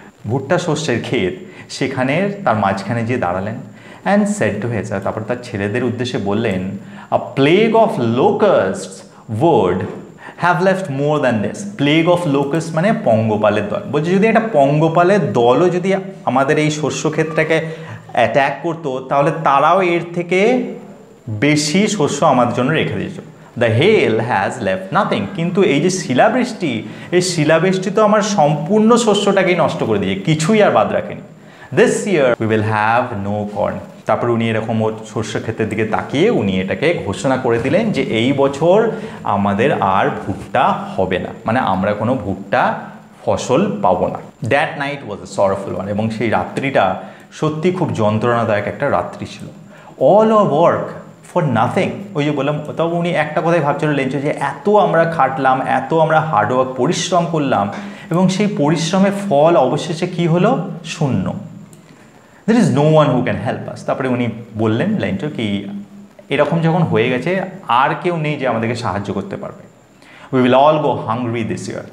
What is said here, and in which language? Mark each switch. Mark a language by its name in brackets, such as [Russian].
[Bangla] ভুট্টা শস্যের ক্ষেত, সেখানে তার মাঝখানে যেয়ে দাঁড়ালেন, [English] and said to his, [Bangla] তারপর তার ছেলেদের উদ্দেশ্যে বললেন, [English] a plague of locust would have left more than this, [Bangla] plague of locust মানে পঙ্গপালের দল, বলছে যদি একটা পঙ্গপালের দলও যদি আমাদের এই শস্য ক্ষেত্রকে অ্যাট্যাক করতো, তাহলে তারাও এর থেকে বেশি শস্য আমাদের জন্য রেখে দিয়েছে। [English] the hail has left nothing, [Bangla] কিন্তু এই যে শিলাবৃষ্টি, এই শিলাবৃষ্টি তো আমার সম্পূর্ণ শস্যটাকেই নষ্ট করে দিয়েছে, কিছুই আর বাদ রাখেনি। [English] This year we will have no corn. [Bangla] তারপর উনি এরকম শস্য ক্ষেতের দিকে তাকিয়ে উনি এটাকে ঘোষণা করে দিলেন যে এই বছর আমাদের আর ভুট্টা হবে না, মানে আমরা কোনো ভুট্টা ফসল পাবো না। [English] That night was a sorrowful one. [Bangla] এবং সেই রাত্রিটা সত্যি খুব যন্ত্রণাদায়ক একটা রাত্রি ছিল। [English] All our work for nothing. [Bangla] ওই যে বললাম, তবে উনি একটা কথাই ভাবছিল লেঞ্চো, যে এত আমরা খাটলাম, এত আমরা হার্ডওয়ার্ক পরিশ্রম করলাম, এবং সেই পরিশ্রমের ফল অবশেষে কি হলো, শূন্য। [English] There is no one who can help us. [Bangla] তারপরে উনি বললেন লেঞ্চো কি, এরকম যখন হয়ে গেছে আর কেউ নেই যে আমাদেরকে সাহায্য করতে পারবে, [English] We will all go hungry this year.